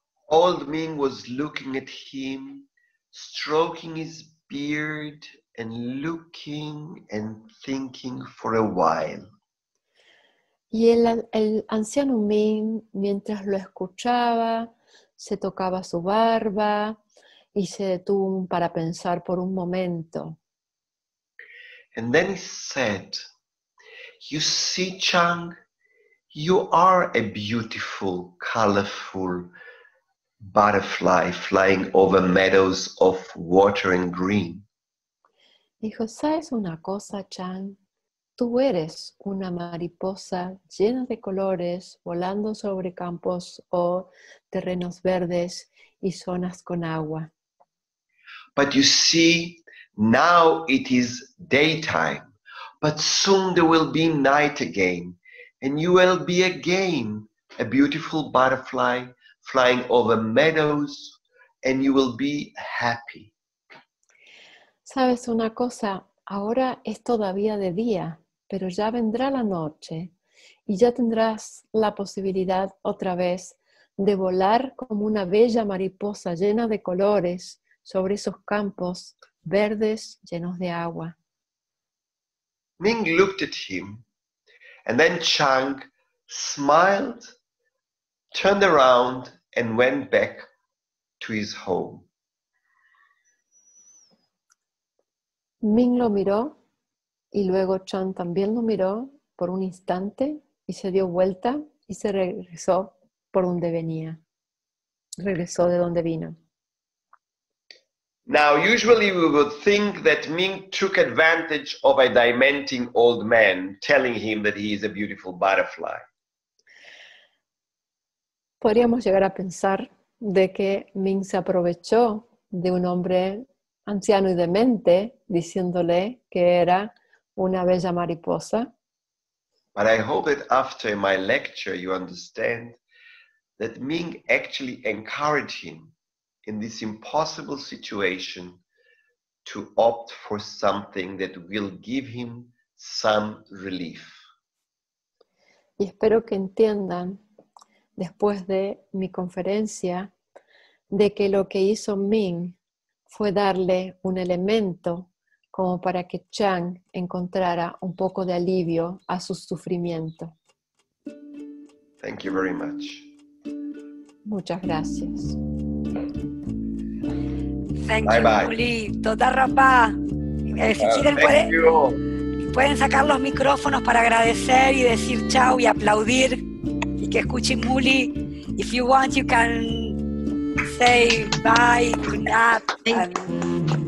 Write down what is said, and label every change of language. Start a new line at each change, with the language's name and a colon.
English: Old Ming was looking at him, stroking his beard and looking and thinking for a while.
Spanish: Y el anciano Ming, mientras lo escuchaba, se tocaba su barba y se detuvo para pensar por un momento.
English: And then he said, "You see, Chang, you are a beautiful, colorful butterfly flying over meadows of water and green.
Spanish: Dijo, ¿sabes una cosa, Chang? Tú eres una mariposa llena de colores volando sobre campos o terrenos verdes y zonas con agua.
English: But you see, now it is daytime, but soon there will be night again, and you will be again a beautiful butterfly flying over meadows, and you will be happy.
Spanish: ¿Sabes una cosa? Ahora es todavía de día, pero ya vendrá la noche, y ya tendrás la posibilidad otra vez de volar como una bella mariposa llena de colores sobre esos campos verdes llenos de agua.
English: Ming looked at him, and then Chang smiled, turned around, and went back to his home.
Spanish: Ming lo miró, y luego Chang también lo miró por un instante, y se dio vuelta, y se regresó por donde venía. Regresó de donde vino.
English: Now, usually we would think that Ming took advantage of a dimenting old man telling him that he is a beautiful butterfly.
Spanish: Podríamos llegar a pensar de que Ming se aprovechó de un hombre anciano y demente diciéndole que era una bella mariposa.
English: But I hope that after my lecture you understand that Ming actually encouraged him in this impossible situation to opt for something that will give him some relief.
Spanish: Y espero que entiendan, después de mi conferencia, de que lo que hizo Ming fue darle un elemento como para que Chang encontrara un poco de alivio a su sufrimiento.
English: Thank you very much.
Spanish: Muchas gracias.
English: Bye-bye.
Hebrew: Toda rapa.
Spanish: Si quieren, pueden sacar los micrófonos para agradecer y decir chao y aplaudir y que escuche Muli.
English: If you want, you can say bye, good night.